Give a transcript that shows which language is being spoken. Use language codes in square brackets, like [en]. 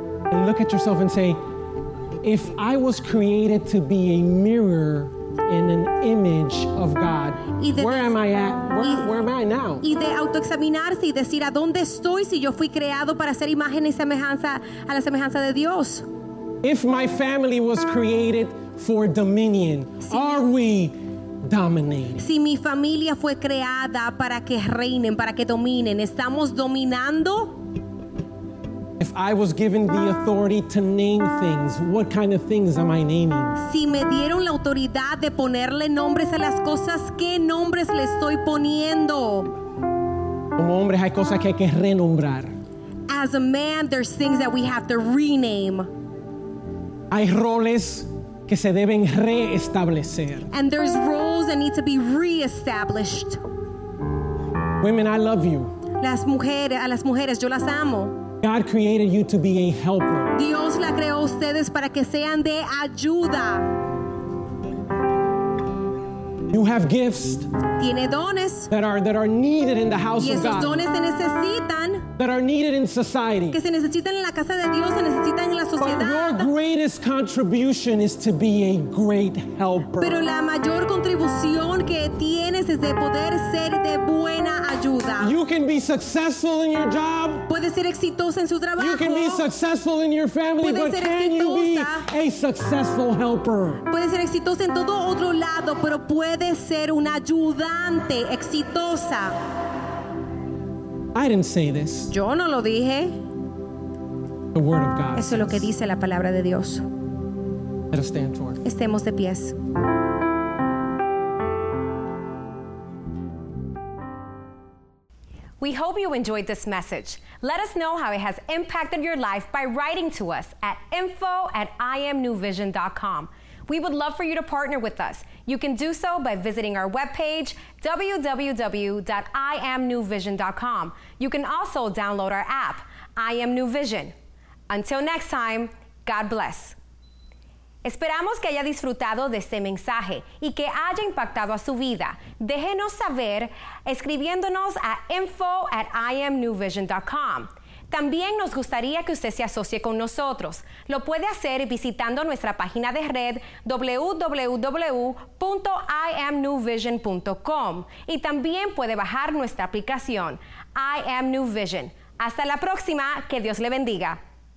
[en] And look at yourself and say, if I was created to be a mirror in an image of God, where am I at? Where am I now? [es] Y de autoexaminarse y decir, ¿a dónde estoy si yo fui creado para ser imagen y semejanza a la semejanza de Dios? [en] If my family was created for dominion, are we dominating? [es] Si mi familia fue creada para que reinen, para que dominen, ¿estamos dominando? [en] If I was given the authority to name things, what kind of things am I naming? [es] Si me dieron la autoridad de ponerle nombres a las cosas, ¿qué nombres le estoy poniendo? Como hombres hay cosas que hay que renombrar. [en] As a man, there's things that we have to rename. [es] Hay roles que se deben reestablecer. [en] And there's roles that need to be reestablished. Women, I love you. [es] Las mujeres, a las mujeres, yo las amo. [en] God created you to be a helper. [es] Dios la creó a ustedes para que sean de ayuda. [en] You have gifts. [es] Tiene dones. [en] That are needed in the house of God. [es] Y esos dones se necesitan. [en] That are needed in society. [es] Que se necesitan en la casa de Dios, se necesitan en la sociedad. [en] But your greatest contribution is to be a great helper. [es] Pero la mayor contribución que tienes es de poder ser de buena ayuda. [en] You can be successful in your job. [es] Puedes ser exitosa en su trabajo. [en] You can be successful in your family, [es] puedes [en] but [es] ser [en] can [es] exitosa. [en] You be a successful helper? [es] Puedes ser exitosa en todo otro lado, pero puedes ser una ayudante exitosa. [en] I didn't say this. [es] Yo no lo dije. [en] The word of God. [es] Eso es lo que dice la palabra de Dios. [en] Let us stand for. [es] Estemos de pies. [en] We hope you enjoyed this message. Let us know how it has impacted your life by writing to us at info@imnewvision.com. We would love for you to partner with us. You can do so by visiting our webpage, www.imnewvision.com. You can also download our app, I Am New Vision. Until next time, God bless. [es] Esperamos que haya disfrutado de este mensaje y que haya impactado a su vida. Déjenos saber escribiéndonos a info@imnewvision.com. También nos gustaría que usted se asocie con nosotros. Lo puede hacer visitando nuestra página de red www.imnewvision.com y también puede bajar nuestra aplicación I Am New Vision. Hasta la próxima, que Dios le bendiga.